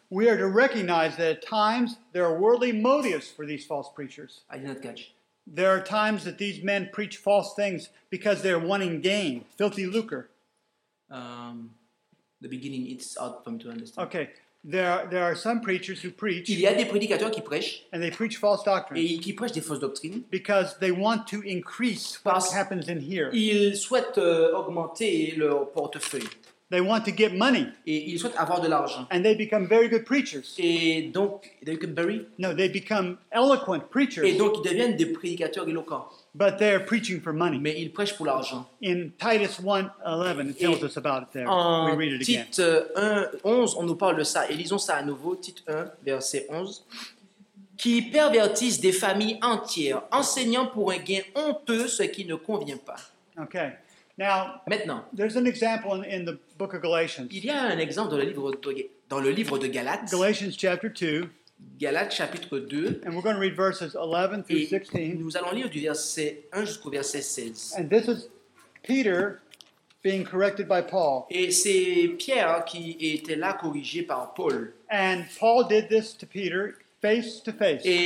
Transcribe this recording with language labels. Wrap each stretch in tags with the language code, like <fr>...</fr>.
<en>We are to recognize that at times there are worldly motives for these false preachers. I did not catch. There are times that these men preach false things because they're wanting gain, filthy lucre. The beginning, it's hard for me to understand. Okay, There are some preachers who preach.</en> <fr>Il y a des prédicateurs qui prêchent.</fr> <en>And they preach false doctrines.</en> <fr>Et qui prêchent des fausses doctrines.</fr> <en>Because they want to increase what happens in here.</en> <fr>Ils souhaitent augmenter leur portefeuille.</fr> <en>They want to get money.</en> <fr>Et ils souhaitent avoir de l'argent.</fr> <en>And they become very good preachers.</en> <fr>Et donc,</fr> <en>they become very. No, they become eloquent preachers.</en> <fr>Et donc, ils deviennent des prédicateurs éloquents.</fr> <en>But they're preaching for money.</en> <fr>Mais ils prêchent pour l'argent.</fr> <en>In Titus 1:11, it tells us about it there. We read it again.</en> <fr>Tite 1:11, on nous parle de ça. Et lisons ça à nouveau. Tite 1, verset 11. Qui pervertissent des familles entières, enseignant pour un gain honteux ce qui ne convient pas.</fr> <en>Okay. Now,</en> <fr>maintenant,</fr> <en>there's an example in the book of Galatians.</en> <fr>Il y a un exemple dans le livre de Galates.</fr> <en>Galatians chapter 2.</en> <fr>Galates chapitre 2.</fr> <en>And we're going to read verses 11 through 16.</en> <fr>Nous allons lire du verset 1 jusqu'au verset 16.</fr> <en>And this is Peter being corrected by Paul.</en> <fr>Et c'est Pierre qui était là corrigé par Paul.</fr> <en>And Paul did this to Peter face to face.</en>